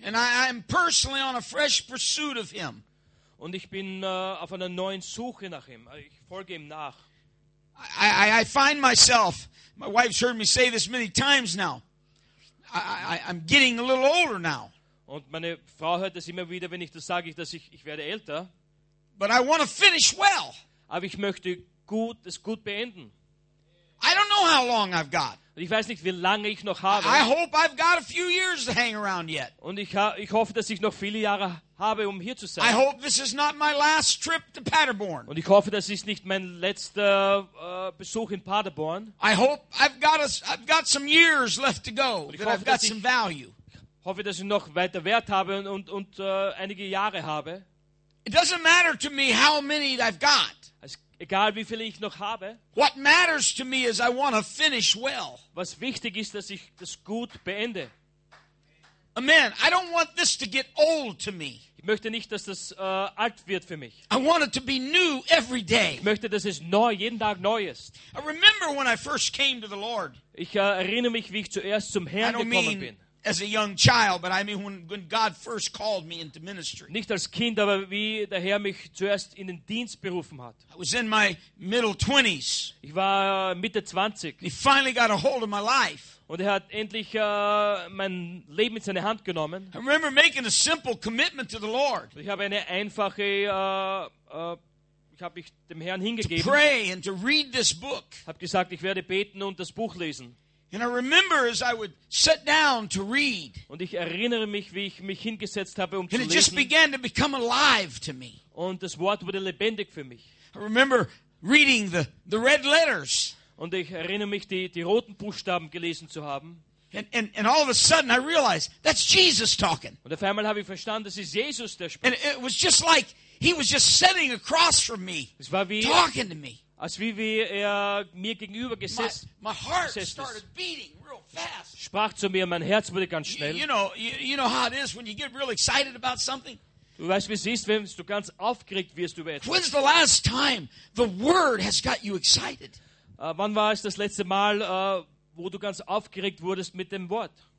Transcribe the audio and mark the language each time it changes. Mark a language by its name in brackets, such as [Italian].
[English] And I am personally on a fresh pursuit of him. [German] Und ich bin auf einer neuen Suche nach ihm. Ich folge ihm nach. [English] I find myself, my wife's heard me say this many times now, I'm getting a little older now. [German] Und meine Frau hört das immer wieder, wenn ich das sage, dass ich werde älter. [English] But I want to finish well. [German] Aber ich möchte es gut beenden. [English] I don't know how long I've got. [German] Und ich weiß nicht, wie lange ich noch habe. [English] I hope I've got a few years to hang around yet. [German] Und ich hoffe, dass ich noch viele Jahre habe, um hier zu sein. [English] I hope this is not my last trip to Paderborn. [German] Und ich hoffe, das ist nicht mein letzter Besuch in Paderborn. [English] I hope I've got some years left to go. I've got some value. [German] Hoffe, dass ich noch weiter Wert habe und einige Jahre habe. [English] It doesn't matter to me how many I've got. [German] Egal wie viele ich noch habe. [English] What matters to me is I want to finish well. [German] Was wichtig ist, dass ich das gut beende. [English] Amen. I don't want this to get old to me. [German] Ich möchte nicht, dass das alt wird für mich. [English] I want it to be new every day. [German] Ich möchte, dass es neu, jeden Tag neu ist. [English] I remember when I first came to the Lord. [German] Ich erinnere mich, wie ich zuerst zum Herrn gekommen bin. [English] as a young child, but I mean when God first called me into ministry. [German] Nicht als Kind, aber wie der Herr mich zuerst in den Dienst berufen hat. [English] I was in my middle 20s. [German] Ich war Mitte 20. [English] He finally got a hold of my life. [German] Und er hat endlich mein Leben in seine Hand genommen. [English] I remember making a simple commitment to the Lord. [German] Ich habe eine einfache ich habe mich dem Herrn hingegeben. [English] To pray and to read this book. [German] Hab gesagt, ich werde beten und das Buch lesen. [English] And I remember as I would sit down to read. [German] Und ich erinnere mich, wie ich mich hingesetzt habe, um zu lesen. [English] And it just began to become alive to me. [German] Und das Wort wurde lebendig für mich. [English] I remember reading the red letters. [German] Und ich erinnere mich, die roten Buchstaben gelesen zu haben. [English] And all of a sudden I realized that's Jesus talking. [German] Und auf einmal habe ich verstanden, das ist Jesus, der spricht. [English] And it was just like he was just sitting across from me. [German] Es war wie [English] talking to me. [German] Als wie er mir gegenüber gesessen. [English] My heart started beating real fast. [German] Sprach zu mir, mein Herz wurde ganz schnell. [English] You know how it is when you get real excited about something. [German] Du weißt, wie es ist, wenn du ganz aufgeregt wirst über etwas. [English] When's the last time the word has got you excited? [German] Wann war es das letzte Mal, wo du ganz aufgeregt wurdest mit dem Wort?